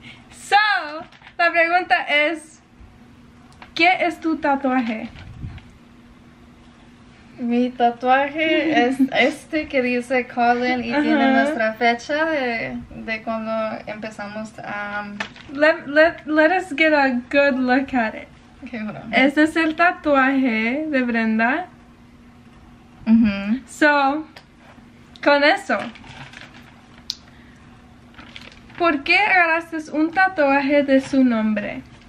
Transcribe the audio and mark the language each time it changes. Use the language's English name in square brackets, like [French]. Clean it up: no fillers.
[Spanish] So, la pregunta es, ¿qué es tu tatuaje? Mi tatuaje es este que dice Colin y tiene nuestra fecha de cuando empezamos. [English] Let us get a good look at it. Okay, hold on. [Spanish] Este es el tatuaje de Brenda. So, con eso, ¿por qué agarraste un tatuaje de su nombre?